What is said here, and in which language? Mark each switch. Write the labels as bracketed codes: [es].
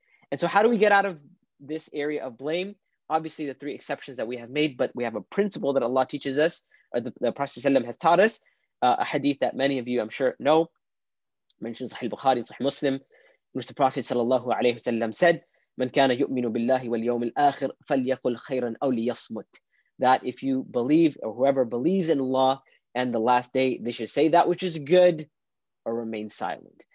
[en] And so how do we get out of this area of blame? Obviously the three exceptions that we have made, but we have a principle that Allah teaches us, or the Prophet ﷺ has taught us, a hadith that many of you, I'm sure, know, mentioned Sahih Bukhari and Sahih Muslim, which the Prophet ﷺ said, [ar] من كان يؤمن بالله واليوم الآخر فليقل خيرا أو ليصمت. [en] That if you believe, or whoever believes in Allah and the last day, they should say that which is good or remain silent.